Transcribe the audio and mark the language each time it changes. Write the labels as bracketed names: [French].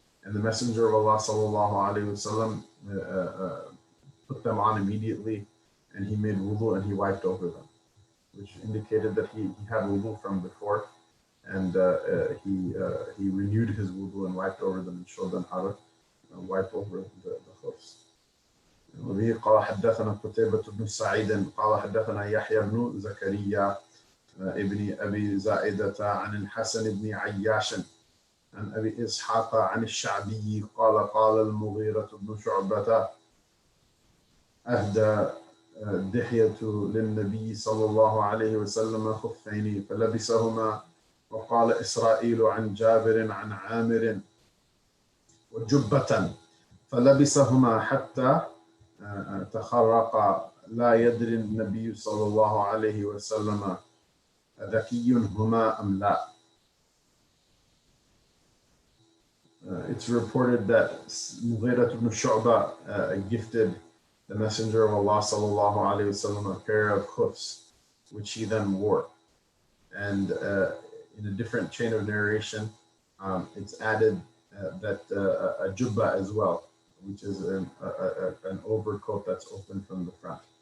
[English] And the Messenger of Allah sallallahu alayhi wa sallam put them on immediately, and he made wudu and he wiped over them, which indicated that he had wudu from before, and he renewed his wudu and wiped over them and showed them how to wipe over the khuffs. [Arabic] وبه قال حدثنا قتيبة بن سعيد قال حدثنا يحيى بن زكريا ابن أبي زائدة عن الحسن بن عياش عن أبي إسحاق عن الشعبي قال قال المغيرة بن شعبة أهدى دحية للنبي صلى الله عليه وسلم خفين فلبسهما وقال إسرائيل عن جابر عن عامر وجبة فلبسهما حتى تخرق لا يدري النبي صلى الله عليه وسلم ذكي هما أم لا. [English] It's reported that Mughira ibn Shu'ba gifted the Messenger of Allah صلى الله عليه وسلم a pair of khuffs, which he then wore. And in a different chain of narration, it's added that a jubba as well, which is an overcoat that's open from the front.